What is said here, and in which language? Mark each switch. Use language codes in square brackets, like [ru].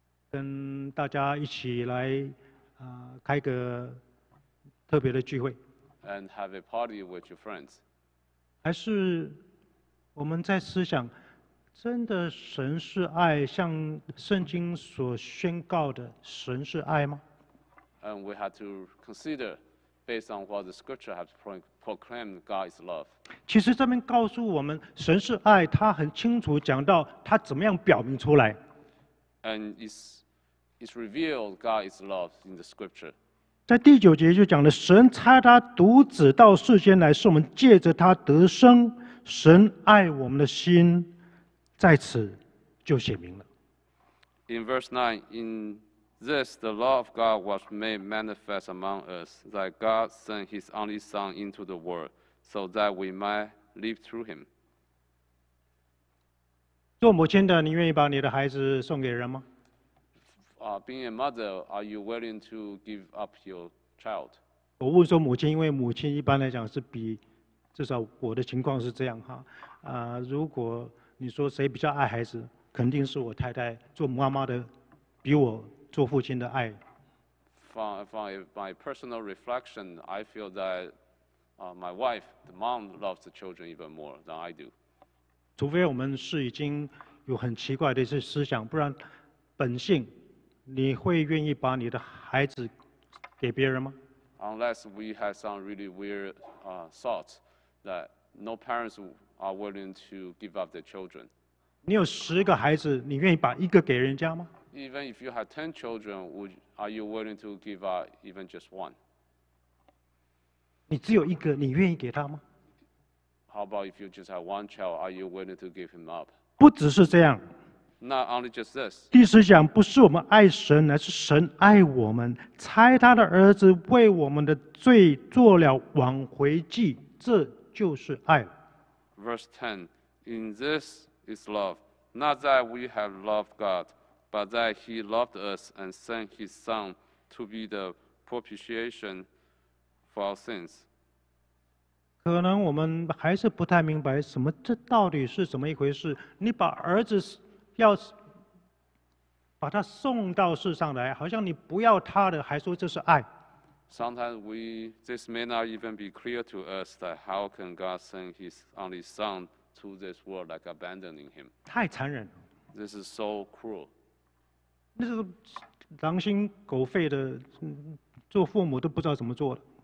[zh] 跟大家一起来开个特别的聚会。 [en] And have a party with your friends. [zh] 还是我们在思想。真的神是爱，像圣经所宣告的，神是爱吗？ [en] And we have to consider based on what the scripture has proclaimed God's love. [zh] 其实这边告诉我们，神是爱，他很清楚讲到他怎么样表明出来。 [en] And it's revealed God's love in the scripture. [zh] 在第九节就讲了，神差他独子到世间来，是我们借着他得生。神爱我们的心。在此就写明了。 [en] In verse 9, in this the law of God was made manifest among us, that God sent His only Son into the world, so that we might live through Him. [zh] 做母亲的，你愿意把你的孩子送给人吗？ [en] Being a mother, are you willing to give up your child? [zh] 我问说母亲，因为母亲一般来讲是比，至少我的情况是这样哈，如果你说谁比较爱孩子？肯定是我太太做妈妈的，比我做父亲的爱。 [en] From my personal reflection, I feel that my wife, the mom, loves the children even more than I do. [zh] 除非我们是已经有很奇怪的一些思想，不然本性，你会愿意把你的孩子给别人吗 [en] ？Unless we have some really weird thoughts that no parents. Are willing to give up their children. [zh] 你有十个孩子，你愿意把一个给人家吗 [en] ？Even if you have 10 children, are you willing to give up even just one? [zh] 你只有一个，你愿意给他吗 [en] ？How about if you just have one child? Are you willing to give him up? [zh] 不只是这样。 [en] Not only just this. [zh] 第十讲不是我们爱神，乃是神爱我们，差他的儿子为我们的罪做了挽回祭，这就是爱。 [en] Verse 10, in this is love, not that we have loved God, but that He loved us and sent His Son to be the propitiation for our sins. [zh] 可能我们还是不太明白什么，这到底是怎么一回事？你把儿子要把他送到世上来，好像你不要他的，还说这是爱。 [en] Sometimes this may not even be clear to us that how can God send His only Son to this world like abandoning Him. [zh] 太残忍。 [en] This is so cruel. [zh] 那是狼心狗肺的，做父母都不知道怎么做的。